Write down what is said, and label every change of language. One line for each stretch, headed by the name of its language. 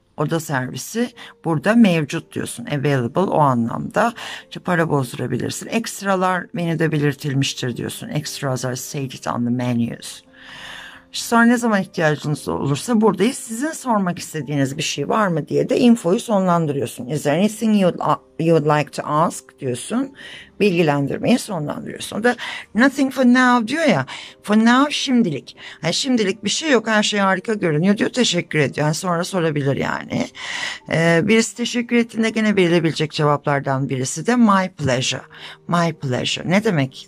Turkish: Oda servisi burada mevcut diyorsun. Available o anlamda. İşte para bozdurabilirsin. Ekstralar menüde belirtilmiştir diyorsun.
English: Extras are stated on the menus.
Turkish: İşte sonra ne zaman ihtiyacınız olursa buradayız. Sizin sormak istediğiniz bir şey var mı diye de infoyu sonlandırıyorsun.
English: Is there anything you'd like to ask
Turkish: diyorsun. Bilgilendirmeyi sonlandırıyorsun. O da
English: nothing for now
Turkish: diyor ya.
English: For now
Turkish: şimdilik. Yani şimdilik bir şey yok. Her şey harika görünüyor diyor. Teşekkür ediyor. Yani sonra sorabilir yani. Birisi teşekkür ettiğinde gene verilebilecek cevaplardan birisi de
English: my pleasure. My pleasure.
Turkish: Ne demek?